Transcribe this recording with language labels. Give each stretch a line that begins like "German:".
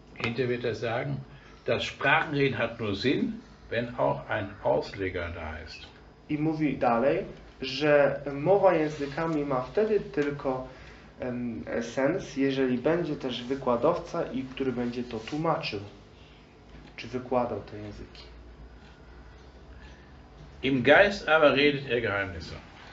German: Hinter wird er sagen, das Sprachenreden hat nur Sinn, wenn auch ein Ausleger da ist.
Polish: I mówi dalej, że mowa językami ma wtedy tylko sens, jeżeli będzie też wykładowca i który będzie to tłumaczył, czy wykładał te języki.
German: Im Geist aber redet er Geheimnisse.